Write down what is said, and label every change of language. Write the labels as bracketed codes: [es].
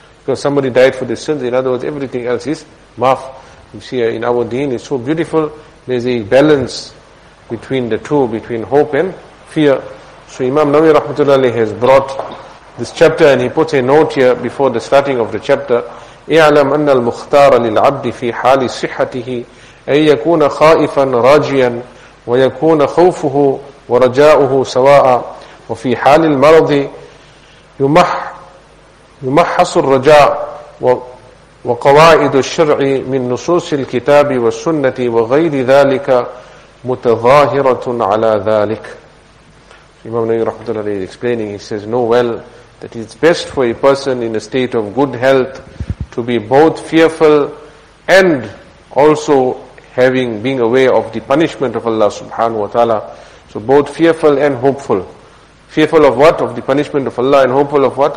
[en] Because somebody died for their sins, in other words, everything else is maaf. You see, in our deen, it's so beautiful. There's a balance between the two, between hope and fear. So Imam Nawawi rahmatullahi has brought this chapter, and he puts a note here before the starting of the chapter. [ar] اِعْلَمْ أَنَّ الْمُخْتَارَ لِلْعَبْدِ فِي حَالِ صِحَّتِهِ أَن يَكُونَ خَائِفًا رَاجِيًا ويكون خوفه ورجاؤه سواء وفي حال المرض يمحص الرجاء وقواعد الشرع من نصوص الكتاب والسنة وغير ذلك متظاهرة على ذلك. [en] Imam Nawawi rahmatullahi is explaining, he says, know well that it's best for a person in a state of good health to be both fearful and also being aware of the punishment of Allah subhanahu wa ta'ala. So both fearful and hopeful. Fearful of what? Of the punishment of Allah, and hopeful of what?